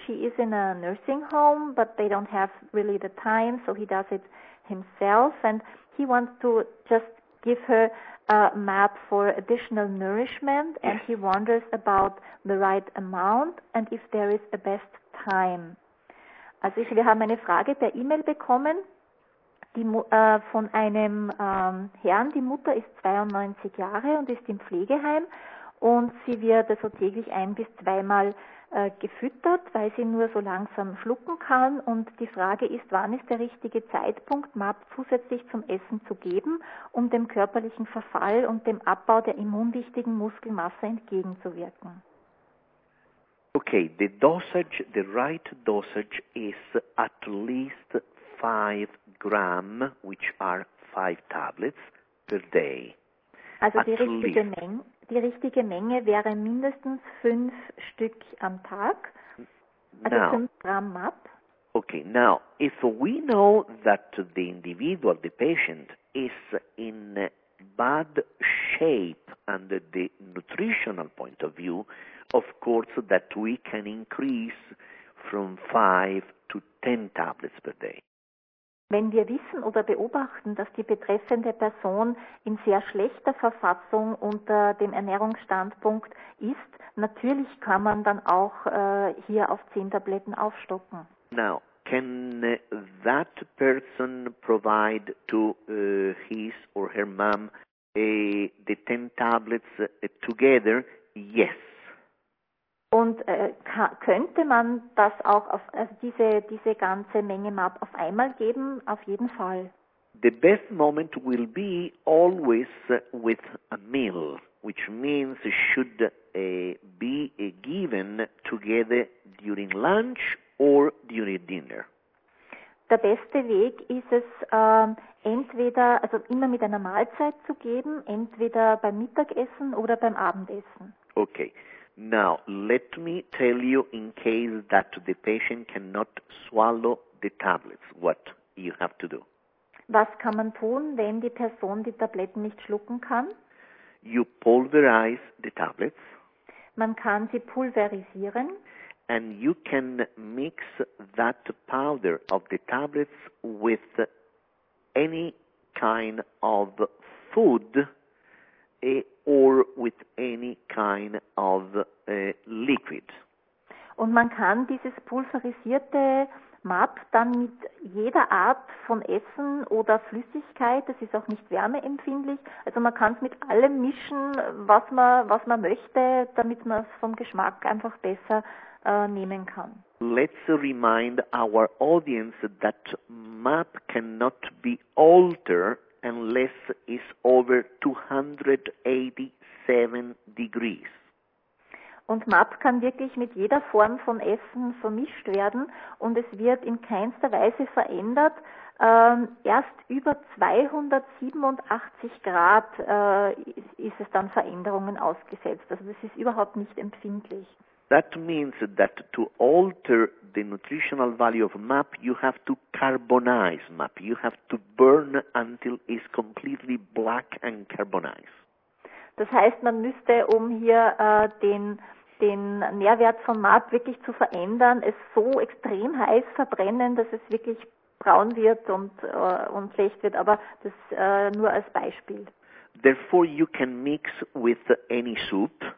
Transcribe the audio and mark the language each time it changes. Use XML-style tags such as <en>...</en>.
<en>She is in a nursing home, but they don't have really the time, so he does it himself, and he wants to just give her a MAP for additional nourishment, and he wonders about the right amount and if there is a best time.</en> <de>Also wir haben eine Frage per E-Mail bekommen, die von einem Herrn. Die Mutter ist 92 Jahre und ist im Pflegeheim und sie wird also täglich ein- bis zweimal gefüttert, weil sie nur so langsam schlucken kann. Und die Frage ist, wann ist der richtige Zeitpunkt, MAP zusätzlich zum Essen zu geben, um dem körperlichen Verfall und dem Abbau der immunwichtigen Muskelmasse entgegenzuwirken?</de> <en>Okay, the dosage, the right dosage is at least 5 grams, which are 5 tablets per day.</en> <de>Also die richtige Menge wäre mindestens 5 Stück am Tag, also 5 Gramm MAP.</de> <en>Okay, now, if we know that the individual, the patient, is in bad shape under the nutritional point of view, of course that we can increase from 5 to 10 tablets per day.</en> <de>Wenn wir wissen oder beobachten, dass die betreffende Person in sehr schlechter Verfassung unter dem Ernährungsstandpunkt ist, natürlich kann man dann auch hier auf 10 Tabletten aufstocken.</de> <en>Now, can that person provide to his or her mom the 10 tablets together? Yes.</en> <de>Und könnte man das auch auf diese ganze Menge MAP auf einmal geben? Auf jeden Fall.</de> <en>The best moment will be always with a meal, which means it should be given together during lunch or during dinner.</en> <de>Der beste Weg ist es, entweder, also immer mit einer Mahlzeit zu geben, entweder beim Mittagessen oder beim Abendessen.</de> <en>Okay. Now, let me tell you in case that the patient cannot swallow the tablets, what you have to do.</en> <de>Was kann man tun, wenn die Person die Tabletten nicht schlucken kann?</de> <en>You pulverize the tablets.</en> <de>Man kann sie pulverisieren.</de> <en>And you can mix that powder of the tablets with any kind of food or with any kind of liquid.</en> <de>Und man kann dieses pulverisierte MAP dann mit jeder Art von Essen oder Flüssigkeit, das ist auch nicht wärmeempfindlich, also man kann es mit allem mischen, was man möchte, damit man es vom Geschmack einfach besser nehmen kann.</de> <en>Let's remind our audience that MAP cannot be altered unless it's over 287 degrees.</en> <de>Und MAP kann wirklich mit jeder Form von Essen vermischt werden und es wird in keinster Weise verändert. Erst über 287 Grad ist es dann Veränderungen ausgesetzt. Also das ist überhaupt nicht empfindlich.</de> <en>That means that to alter the nutritional value of MAP, you have to carbonize MAP. You have to burn until it's completely black and carbonized.</en> <de>Das heißt, man müsste, um hier den den Nährwert von Maat wirklich zu verändern, es so extrem heiß verbrennen, dass es wirklich braun wird und schlecht wird, aber das nur als Beispiel.</de> <en>Therefore you can mix with any soup.</en>